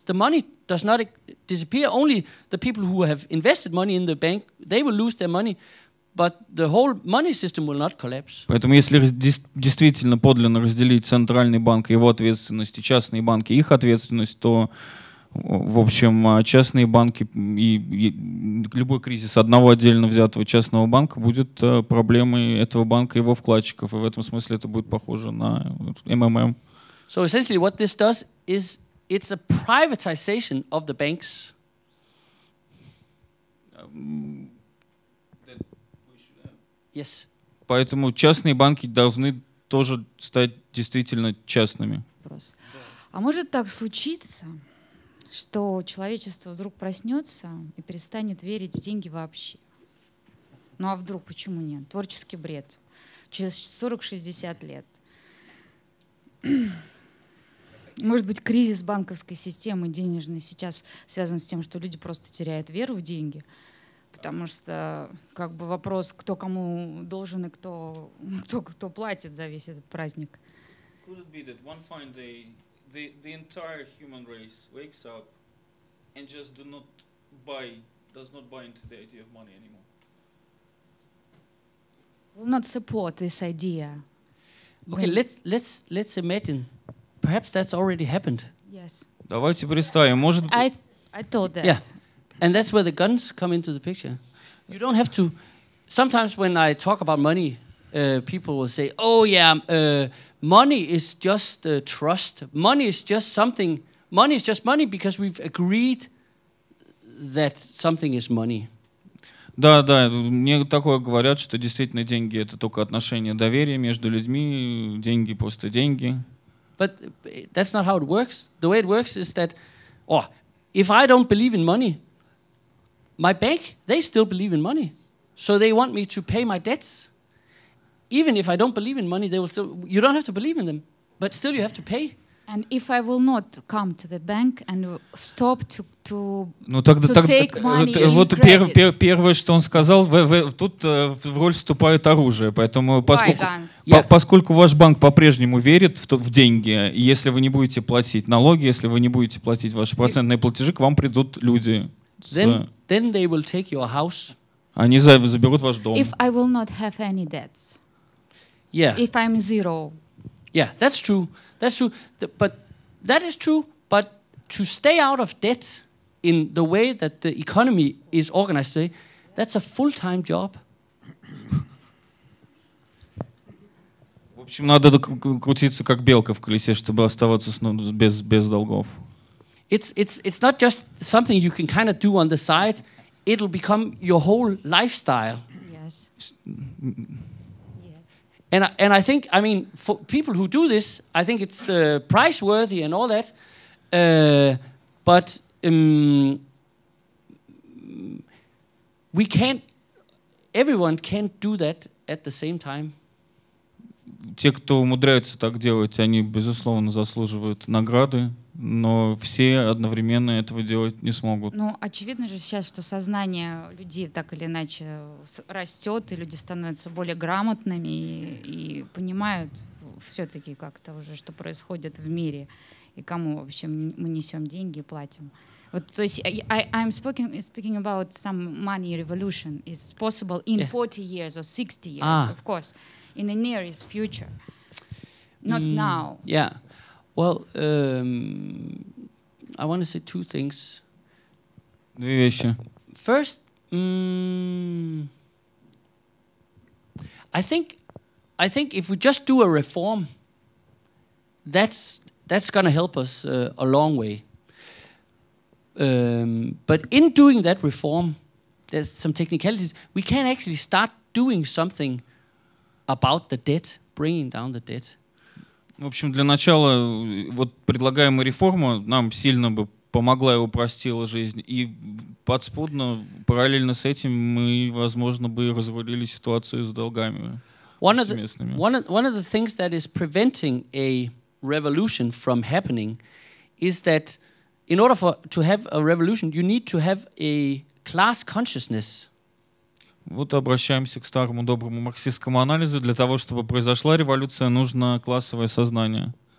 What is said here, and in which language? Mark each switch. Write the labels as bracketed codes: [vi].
[en] The money does not disappear. Only the people who have invested money in the bank, they will lose their money, but the whole money system will not collapse. [ru] Поэтому если действительно подлинно разделить центральный банк, его ответственность, и частные банки, их ответственность, то, в общем, частные банки и любой кризис одного отдельно взятого частного банка будет проблемой этого банка и его вкладчиков. И в этом смысле это будет похоже на МММ. [en] So essentially what this does is it's a privatization of the banks. Yes. [ru] Поэтому частные банки должны тоже стать действительно частными. Вопрос. А может так случиться, что человечество вдруг проснется и перестанет верить в деньги вообще? Ну а вдруг, почему нет? Творческий бред. Через 40-60 лет. Может быть, кризис банковской системы денежной сейчас связан с тем, что люди просто теряют веру в деньги? Потому что как бы вопрос, кто кому должен и кто платит за весь этот праздник. [en] Could it be that one fine day the entire human race wakes up and just does not buy into the idea of money anymore? Will not support this idea. Okay, let's imagine. Perhaps that's already happened. Yes. [ru] Давайте представим, может быть. [en] I told that. Yeah. And that's where the guns come into the picture. You don't have to. Sometimes when I talk about money, people will say, "Oh yeah, money is just trust. Money is just something. Money is just money because we've agreed that something is money." [ru] Да, да. Мне такое говорят, что действительно деньги — это только отношение доверия между людьми. Деньги просто деньги. [en] But that's not how it works. The way it works is that, oh, if I don't believe in money, my bank, they still believe in money. So they want me to pay my debts. Even if I don't believe in money, they will still, you don't have to believe in them, but still you have to pay. And if I will not come to the bank and stop to [ru] ну, тогда, [en] to [ru] тогда, [en] take money [ru] вот [en] credit. [ru] Первое, что он сказал, в роль вступает оружие. Поэтому поскольку ваш банк по-прежнему верит в деньги, если вы не будете платить налоги, если вы не будете платить ваши процентные платежи, к вам придут люди. [en] Then they will take your house. [ru] Они заберут ваш дом. [en] If I will not have any debts. Yeah. If I'm zero. Yeah, that's true. That's true. But that is true. But to stay out of debt in the way that the economy is organized today, that's a full-time job. [ru] В общем, надо крутиться как белка в колесе, чтобы оставаться без долгов. [en] It's not just something you can kind of do on the side. It'll become your whole lifestyle. Yes. And I think, I mean, for people who do this, I think it's price-worthy and all that. But we can't, everyone can't do that at the same time. [ru] Те, кто умудряются так делать, они, безусловно, заслуживают награды. Но все одновременно этого делать не смогут. Ну, очевидно же сейчас, что сознание людей так или иначе растет, и люди становятся более грамотными и понимают все-таки как-то уже, что происходит в мире, и кому, в общем, мы несем деньги и платим. Вот, то есть [en] I'm speaking about some money revolution. It's possible in 40 years or 60 years, of course, in the nearest future, not now. Yeah. Well, I want to say two things. [ru] Две вещи. [en] First, I think if we just do a reform, that's going to help us a long way. But in doing that reform, there's some technicalities. We can't actually start doing something about the debt, bringing down the debt. [ru] В общем, для начала вот предлагаемая реформа нам сильно бы помогла и упростила жизнь. И подспудно, параллельно с этим, мы, возможно, бы развалили ситуацию с долгами. [en] One of the things that is preventing a revolution from happening is that in order to have a revolution, you need to have a class consciousness. [ru] Вот обращаемся к старому доброму марксистскому анализу. Для того, чтобы произошла революция, нужно классовое сознание.